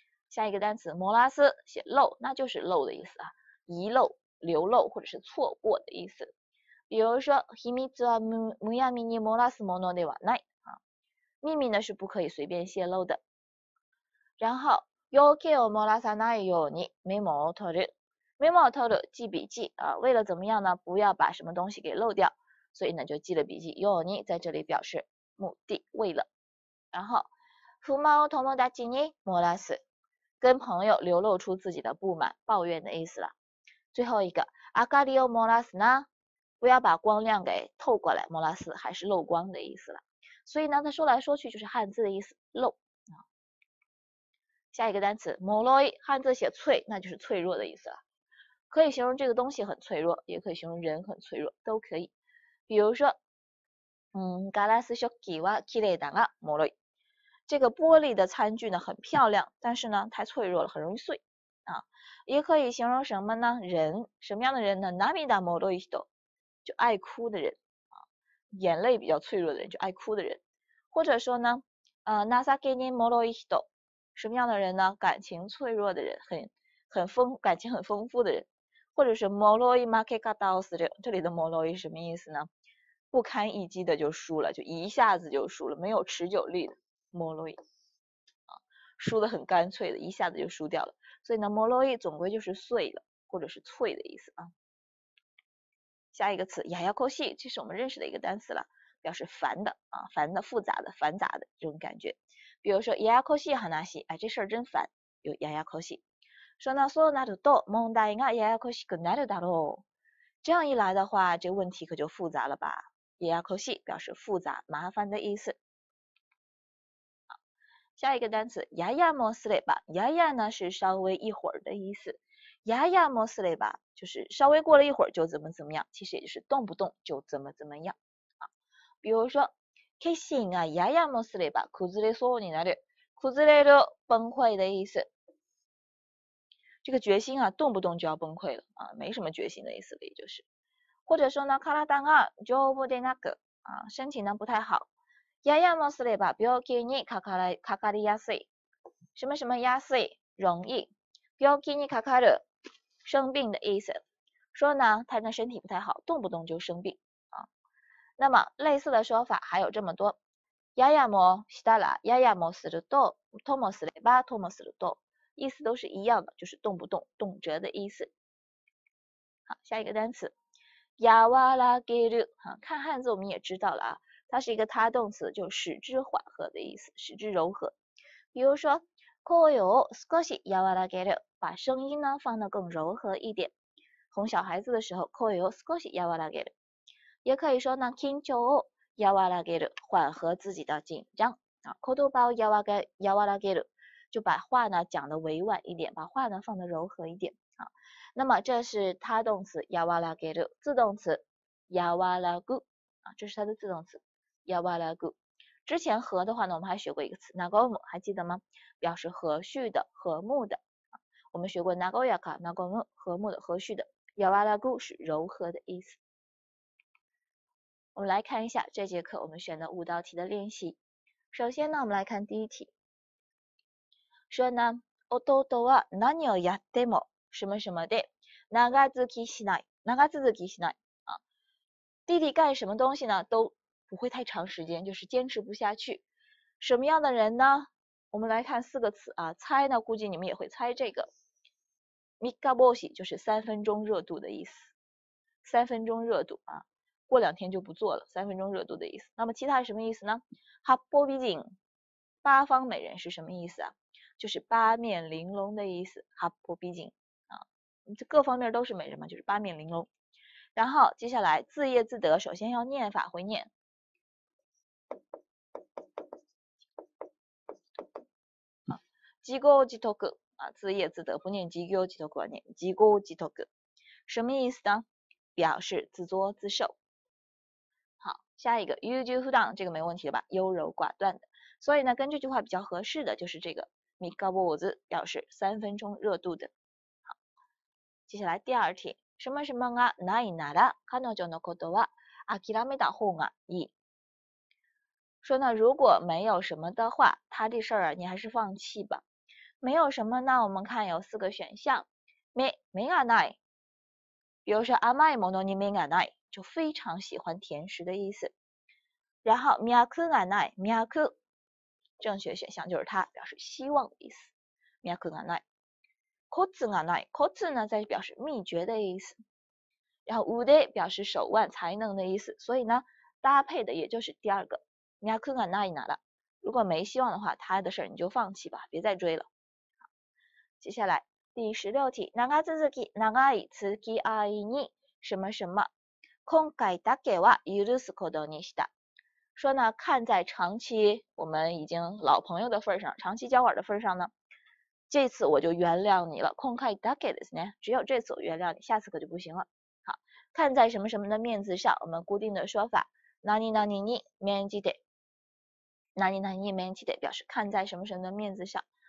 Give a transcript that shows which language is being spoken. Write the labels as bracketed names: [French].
[Chinese] 下一个单词，摩拉斯写漏，那就是漏的意思啊，遗漏、流漏或者是错过的意思。比如说， [Japanese] 秘密はむやみに漏らすものではない [Chinese] 啊，秘密呢是不可以随便泄露的。 [Japanese] 然后，要件を漏らさないようにメモを取る。 [Chinese] メモを取る，记笔记啊，为了怎么样呢？不要把什么东西给漏掉，所以呢就记了笔记。ように在这里表示目的，为了。然后， [Japanese] 不満を友達に漏らす。 [Chinese] 跟朋友流露出自己的不满、抱怨的意思了。最后一个， [Japanese] 明かりを漏らすな， [Chinese] 不要把光亮给透过来，漏らす还是漏光的意思了。所以呢，它说来说去就是汉字的意思，漏。下一个单词，もろい，汉字写脆，那就是脆弱的意思了。可以形容这个东西很脆弱，也可以形容人很脆弱，都可以。 [Japanese] 比如说，ガラス食器はきれいだが、もろい。 [Chinese] 这个玻璃的餐具呢很漂亮，但是呢太脆弱了，很容易碎啊。也可以形容什么呢？人，什么样的人呢？ [Japanese] 涙もろい人， [Chinese] 就爱哭的人啊，眼泪比较脆弱的人，就爱哭的人。或者说呢， [Japanese] 情けにもろい人， [Chinese] 什么样的人呢？感情脆弱的人，感情很丰富的人。或者是 [Japanese] もろい負け方をする， [Chinese] 这里的もろい什么意思呢？不堪一击的就输了，就一下子就输了，没有持久力的。莫洛伊啊，输得很干脆的，一下子就输掉了。所以呢，莫洛伊总归就是碎了，或者是脆的意思啊。下一个词，ややこしい，这是我们认识的一个单词了，表示烦的啊，烦的、复杂的、繁杂的这种感觉。比如说， [Japanese] ややこしい話， [Chinese] 哎，这事儿真烦，有ややこしい。 [Japanese] 说呢，そうなると問題がややこしくなるだろう。 [Chinese] 这样一来的话，这问题可就复杂了吧？ややこしい表示复杂、麻烦的意思。下一个单词，ややもすれば，やや呢是稍微一会儿的意思，ややもすれば就是稍微过了一会儿就怎么怎么样，其实也就是动不动就怎么怎么样啊。 [Japanese] 比如说，決心がややもすれば崩れそうになる，崩れる [Chinese] 崩溃的意思。这个决心啊，动不动就要崩溃了啊，没什么决心的意思了，也就是。或者说呢， [Japanese] 体が丈夫でなく啊， [Chinese] 身体呢不太好。 [Japanese] ややもすれば病気にかかりやすい。 [Chinese] 什么什么安い，容易。 [Japanese] 病気にかかる， [Chinese] 生病的意思。说呢，他的身体不太好，动不动就生病啊。那么类似的说法还有这么多。 [Japanese] ややもしたら、ややもすると、ともすれば、ともすると， [Chinese] 意思都是一样的，就是动不动、动辄的意思。好，下一个单词。やわらげる，看汉字我们也知道了啊，它是一个他动词，就使之缓和的意思，使之柔和。比如说， [Japanese] 声を少しやわらげる， [Chinese] 把声音呢放得更柔和一点。哄小孩子的时候， [Japanese] 声を少しやわらげる。 [Chinese] 也可以说呢， [Japanese] 緊張をやわらげる， [Chinese] 缓和自己的紧张。啊， [Japanese] 言葉をやわらげる， [Chinese] 就把话呢讲得委婉一点，把话呢放得柔和一点。啊，那么这是他动词やわらげる，自动词やわらぐ。啊，这是他的自动词やわらぐ。之前和的话呢，我们还学过一个词なごむ，还记得吗？表示和煦的、和睦的。我们学过なごやか、なごむ，和睦的、和煦的。やわらぐ是柔和的意思。我们来看一下这节课我们选的五道题的练习。首先呢，我们来看第一题。说呢， [Japanese] 弟は何をやっても什么什么で長続きしない，長続きしない。 [Chinese] 啊，弟弟干什么东西呢都不会太长时间，就是坚持不下去。什么样的人呢？我们来看四个词啊，猜呢，估计你们也会猜这个。三日坊主就是三分钟热度的意思，三分钟热度啊，过两天就不做了，三分钟热度的意思。那么其他什么意思呢？八方美人，八方美人是什么意思啊？就是八面玲珑的意思。八方美人啊，这各方面都是美人嘛，就是八面玲珑。然后接下来自业自得，首先要念法会念。自業自得啊，自业自得，不念自業自得，念自業自得，什么意思呢？表示自作自受。好，下一个優柔不断，这个没问题了吧？优柔寡断的。所以呢，跟这句话比较合适的就是这个三日坊主，表示三分钟热度的。好，接下来第二题， [Japanese] 什么什么がないなら彼女のことは諦めた方がいい。 [Chinese] 说呢，如果没有什么的话，他的事儿你还是放弃吧。没有什么呢，我们看有四个选项。没がない，比如说 [Japanese] 甘いものに目がない， [Chinese] 就非常喜欢甜食的意思。然后脈がない，脈正确选项就是它，表示希望的意思。脈がない。コツがない，コツ呢在表示秘诀的意思。然后腕表示手腕才能的意思，所以呢搭配的也就是第二个脈がないなら，如果没希望的话，他的事儿你就放弃吧，别再追了。接下来第十六题， [Japanese] 長続き、長い付き合いに什么什么、今回だけは許すことにした。 [Chinese] 说呢，看在长期我们已经老朋友的份上，长期交往的份上呢，这次我就原谅你了。今回だけですね，只有这次我原谅你，下次可就不行了。好，看在什么什么的面子上，我们固定的说法。何々に免じて，何々に免じて表示看在什么什么的面子上。